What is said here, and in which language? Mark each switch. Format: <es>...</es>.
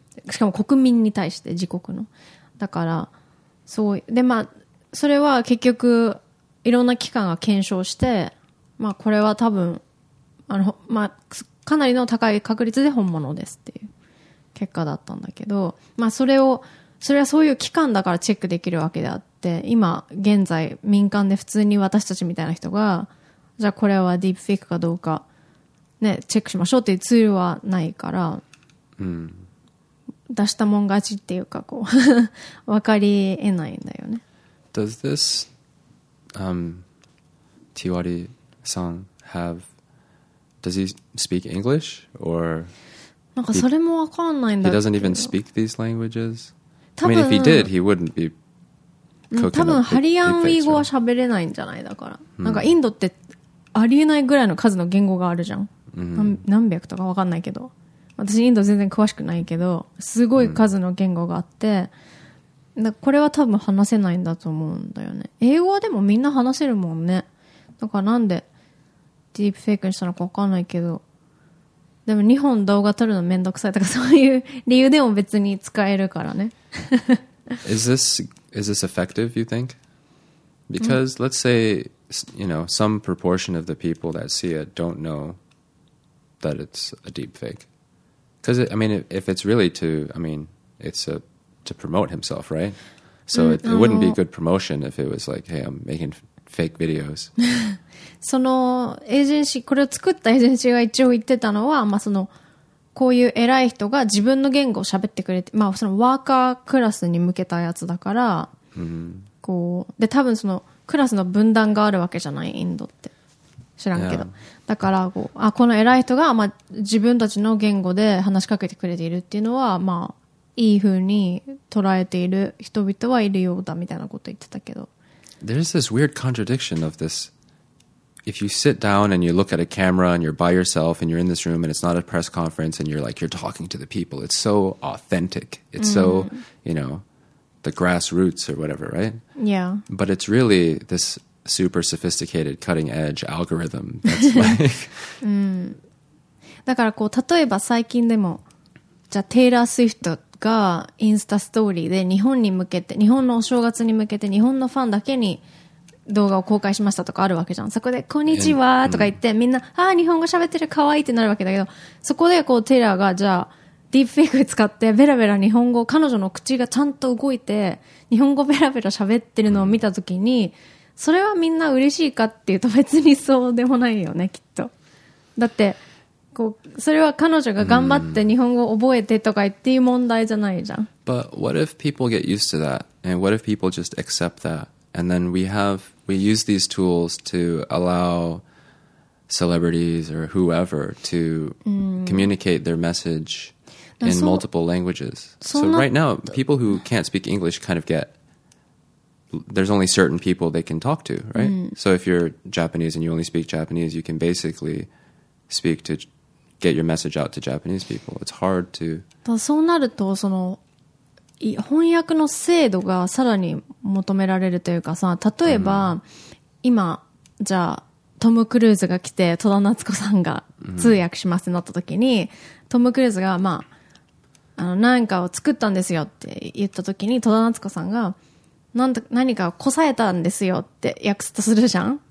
<ja>しかも国民に対して自国のだからそうで、まあそれは結局いろんな機関が検証して、まあこれは多分あの、まあ、かなりの高い確率で本物ですっていう結果だったんだけど、まあそれはそういう機関だからチェックできるわけであって、今現在民間で普通に私たちみたいな人がじゃあこれはディープフェイクかどうかね、チェックしましょうっていうツールはないから、うん、出したもん勝ちっていうかこう分かりえないんだよね。</ja> <en>Does this、Tiwari さん have Does he speak English? Or</en> <ja>なんかそれも分かんないんだけど</ja> <en>He doesn't even speak these languages? I mean if he did he wouldn't be cooking up deep fakes.</en> <ja>多分ハリアンウィー語は喋れないんじゃないだから、うん、なんかインドってありえないぐらいの数の言語があるじゃん、うん、何百とか分かんないけど私インド全然詳しくないけどすごい数の言語があって、うん、だこれは多分話せないんだと思うんだよね。英語はでもみんな話せるもんね。だからなんでディープフェイクにしたのか分かんないけど、でも2本動画撮るのめんどくさいとかそういう理由でも別に使えるからね。</ja> <en>is this effective you think? Because、うん、let's say you know some proportion of the people that see it don't know that it's a deep fake. Because, I mean, if it's really to, I mean, it's a, to promote himself, right? So it wouldn't be good promotion if it was like, hey, I'm making fake videos.</en> <ja>そのエージェンシー、これを作ったエージェンシーが一応言ってたのは、まあその、こういう偉い人が自分の言語を喋ってくれて、まあそのワーカークラスに向けたやつだから、こう、で多分そのクラスの分断があるわけじゃない、インドって。知らんけど、yeah. だからこう、あ、この偉い人が、まあ、自分たちの言語で話しかけてくれているっていうのは、まあ、いい風に捉えている人々はいるようだみたいなこと言ってたけど。</ja> <en>There's this weird contradiction of this. If you sit down and you look at a camera and you're by yourself and you're in this room and it's not a press conference and you're like, you're talking to the people. It's so authentic. It's so, you know, the grassroots or whatever, right? Yeah. But it's really this... super sophisticated cutting edge algorithm that's like 、</en> <ja>うん、だからこう例えば最近でもじゃあテイラー・スウィフトがインスタストーリーで日本に向けて日本のお正月に向けて日本のファンだけに動画を公開しましたとかあるわけじゃん。そこでこんにちはとか言ってみんな、うん、ああ日本語喋ってる可愛いってなるわけだけど、そこでこうテイラーがじゃあディープフェイク使ってベラベラ日本語、彼女の口がちゃんと動いて日本語ベラベラ喋ってるのを見たときに、うん、それはみんな嬉しいかっていうと別にそうでもないよね、きっと。だってこうそれは彼女が頑張って日本語を覚えてとかっていう問題じゃないじゃん。</ja> <en>But what if people get used to that? And what if people just accept that? And then we use these tools to allow celebrities or whoever to communicate their message in multiple languages. So right now, people who can't speak English kind of getThere's only certain people they can talk to, right?、うん、so if you're Japanese and you only speak Japanese, you can basically speak to get your message out to Japanese people. It's hard to.</en> <ja>そうなるとその翻訳の精度がさらに求められるというかさ、例えば、今じゃあトム・クルーズが来て戸田夏子さんが通訳しますってなった時に、トム・クルーズがまあ、何かを作ったんですよって言った時に戸田夏子さんが何かこさえたんですよって訳すとするじゃん、</ja>